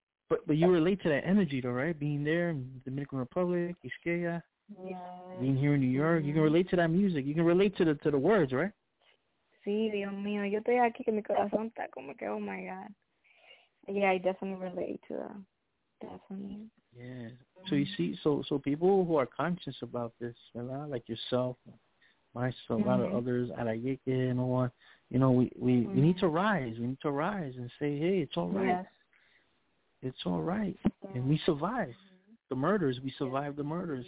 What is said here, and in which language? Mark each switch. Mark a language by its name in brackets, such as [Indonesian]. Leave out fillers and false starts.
[English] But you relate to that energy, though, right? Being there in the Dominican Republic, Quisqueya, yes. being here in New York, mm-hmm. you can relate to that music. You can relate to the words, right? [Spanish] Sí, Dios mío, yo estoy aquí que mi corazón está como que, [English] oh my God. Yeah, I definitely relate to that. Definitely. Yeah. Mm-hmm. So you see, so people who are conscious about this, you know, like yourself, myself, mm-hmm. a lot of others, Arayeke and all, you know, we need to rise. We need to rise and say, hey, it's all right. Yes. It's all right. Yeah. And we survive mm-hmm. the murders. We survive yeah. the murders.